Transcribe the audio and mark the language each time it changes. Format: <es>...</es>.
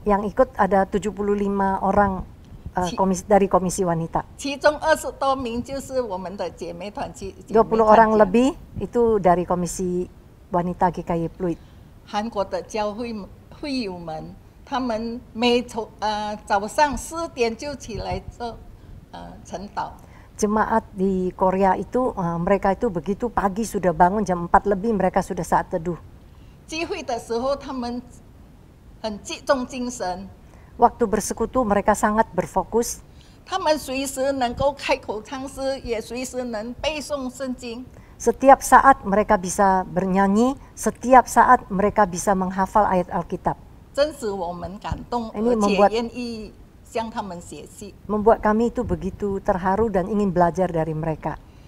<id>Yang ikut ada 75 orang dari Komisi Wanita.</id> <zh>其中20多名就是我们的姐妹团契.</zh> <id>20 orang lebih itu dari Komisi Wanita GKY Pluit.</id> <zh>韩国的教会会友们，他们每早上4点就起来做晨祷.</zh> <id>jemaat di Korea itu mereka itu begitu pagi sudah bangun jam 4 lebih mereka sudah saat teduh.</id> <zh>聚会的时候他们很集中精神.</zh> <id>Waktu bersekutu mereka sangat berfokus.</id> <zh>他们随时能够开口唱诗，也随时能背诵圣经.</zh> <id>Setiap saat mereka bisa bernyanyi, setiap saat mereka bisa menghafal ayat Alkitab.</id> <zh>真使我们感动,</zh> <id>ini membuat,</id> <zh>而且愿意向他们学习.</zh> <id>Membuat kami itu begitu terharu dan ingin belajar dari mereka.</id>